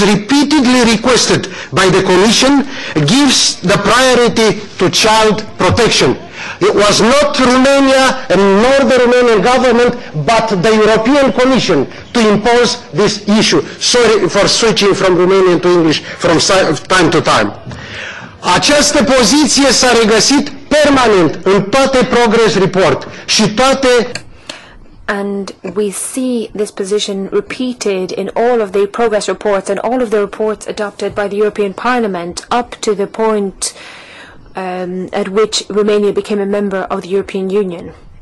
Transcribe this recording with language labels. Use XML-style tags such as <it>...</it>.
<en>Repeatedly requested by the Commission gives the priority to child protection. It was not Romania and nor the Romanian government, but the European Commission to impose this issue. Sorry for switching from Romanian to English from time to time.</en> <ro>Această poziție s-a regăsit permanent în toate</ro> <en>progress report</en> <ro>și toate.</ro> <en>And we see this position repeated in all of the progress reports and all of the reports adopted by the European Parliament up to the point at which Romania became a member of the European Union.</en>